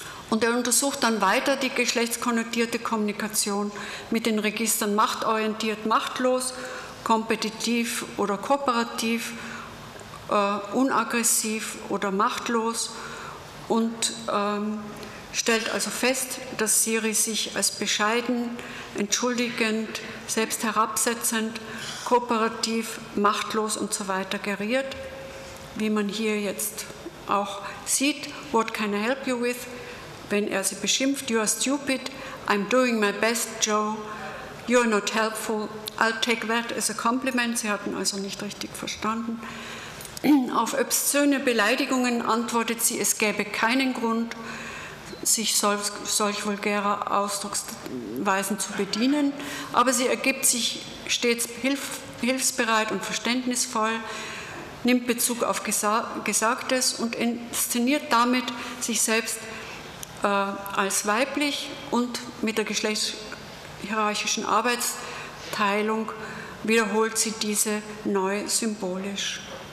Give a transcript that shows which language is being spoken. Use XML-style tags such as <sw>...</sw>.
<de>Und er untersucht dann weiter die geschlechtskonnotierte Kommunikation mit den Registern machtorientiert, machtlos, kompetitiv oder kooperativ, unaggressiv oder machtlos und stellt also fest, dass Siri sich als bescheiden, entschuldigend, selbst herabsetzend, kooperativ, machtlos und so weiter geriert, wie man hier jetzt auch sieht.</de> <en>What can I help you with?</en> <de>Wenn er sie beschimpft,</de> <en>you are stupid, I'm doing my best, Joe, you are not helpful, I'll take that as a compliment.</en> <de>Sie hatten also nicht richtig verstanden. Auf obszöne Beleidigungen antwortet sie, es gäbe keinen Grund, sich solch vulgärer Ausdrucksweisen zu bedienen, aber sie ergibt sich stets hilfsbereit und verständnisvoll, nimmt Bezug auf Gesagtes und inszeniert damit sich selbst als weiblich und mit der geschlechtshierarchischen Arbeitsteilung wiederholt sie diese neu symbolisch.</de>